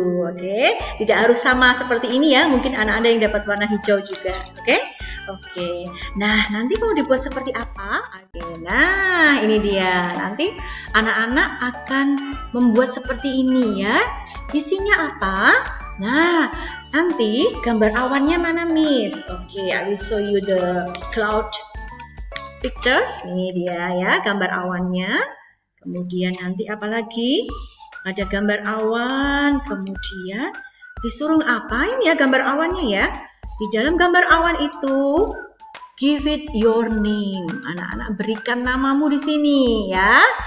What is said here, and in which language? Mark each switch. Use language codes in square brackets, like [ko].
[id] Oke, tidak harus sama seperti ini ya. Mungkin anak-anak yang dapat warna hijau juga. Oke. Nah, nanti mau dibuat seperti apa? Oke, nah ini dia. Nanti anak-anak akan membuat seperti ini ya. Isinya apa? Nah, nanti gambar awannya mana, Miss? [en] Oke, I will show you the cloud pictures. [id] Ini dia ya, gambar awannya. Kemudian nanti apa lagi? Ada gambar awan. Kemudian disuruh apain ya gambar awannya ya? Di dalam gambar awan itu, [en] give it your name. [id] Anak-anak berikan namamu di sini ya.